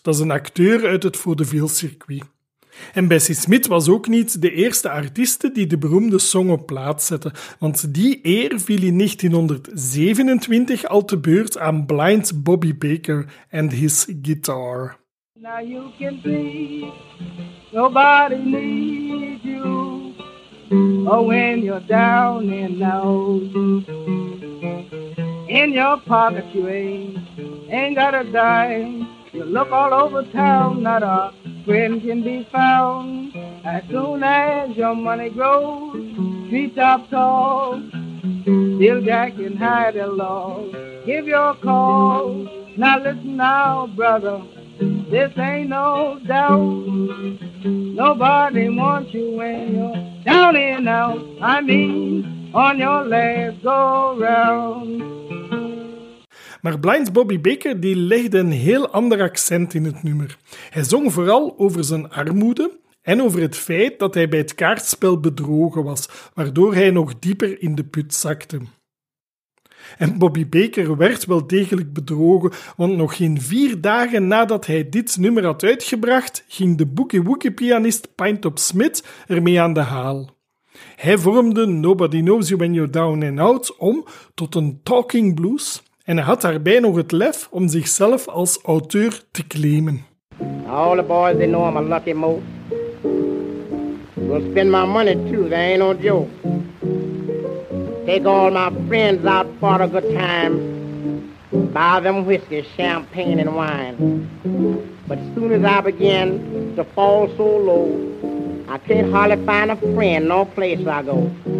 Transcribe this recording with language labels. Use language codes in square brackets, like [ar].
[nl] Dat is een acteur uit het vaudeville-circuit. En Bessie Smith was ook niet de eerste artieste die de beroemde song op plaats zette, want die eer viel in 1927 al te beurt aan Blind Bobby Baker and his guitar. [en] Now you can be, nobody needs you, or when you're down and out. In your pocket you ain't got a dime, you look all over town, not a friend can be found. As soon as your money grows, treet top tall, still Jack and Hyde along, give your call. Now listen now, brother, this ain't no doubt. Nobody wants you when you're down and out. I mean, on your last go round. [nl] Maar Blind Bobby Baker die legde een heel ander accent in het nummer. Hij zong vooral over zijn armoede en over het feit dat hij bij het kaartspel bedrogen was, waardoor hij nog dieper in de put zakte. En Bobby Baker werd wel degelijk bedrogen, want nog geen 4 dagen nadat hij dit nummer had uitgebracht, ging de boekie-woekie-pianist Pinetop Smith ermee aan de haal. Hij vormde Nobody Knows You When You're Down and Out om tot een talking blues. En hij had daarbij nog het lef om zichzelf als auteur te claimen. [en] All the boys they know I'm a lucky mote. Will spend my money too, there ain't no joke. Take all my friends out for a good time. Buy them whiskey, champagne and wine. But as soon as I begin to fall so low, I can't hardly find a friend, no place I go.